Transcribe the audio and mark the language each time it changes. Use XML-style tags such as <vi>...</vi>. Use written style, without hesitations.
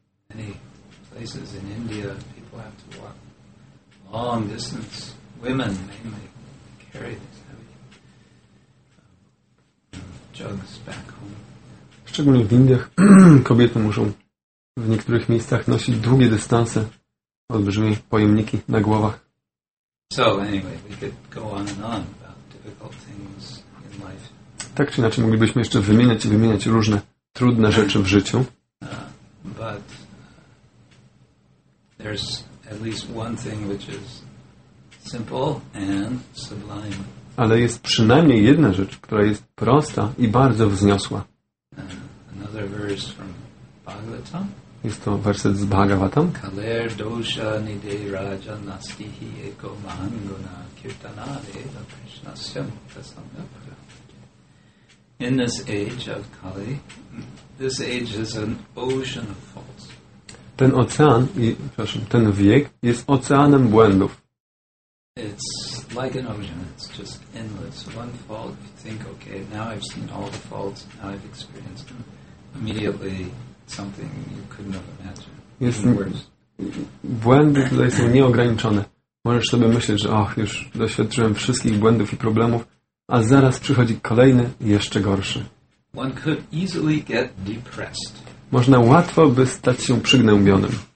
<en>Many places in India, people have to walk long distance. Women mainly carry these heavy jugs back home.</en> <pl>Szczególnie w Indiach kobiety muszą w niektórych miejscach nosić długie dystanse, olbrzymie pojemniki na głowach.</pl> <en>So anyway, we could go on and on about difficult things in life.</en> <pl>Tak czy inaczej, moglibyśmy jeszcze wymieniać i wymieniać różne trudne rzeczy w życiu.</pl> <en>But there's at least one thing which is simple and sublime.</en> <pl>Ale jest przynajmniej jedna rzecz, która jest prosta i bardzo wzniosła.</pl> <en>another verse from Bhagavatam.</en> <pl>Jest to werset z Bhagavatam.</pl> <sa>Kaler dosha nide raja nastihi eko mahanguna kirtanade da krishna syam prasamyapra.</sa> <en>In this age of Kali, this age is an ocean of faults.</en> <pl>Ten ocean, przepraszam, ten wiek jest oceanem błędów.</pl> <en>It's like an ocean, it's just endless. One fault, you think, okay, now I've seen all the faults, now I've experienced them. Immediately, something you couldn't have imagined. Jest worse.</en> <pl>Błędy tutaj są nieograniczone. Możesz sobie myśleć, że ach, już doświadczyłem wszystkich błędów i problemów, a zaraz przychodzi kolejny, jeszcze gorszy.</pl> <en>One could easily get depressed.</en> <pl>Można łatwo by stać się przygnębionym.</pl>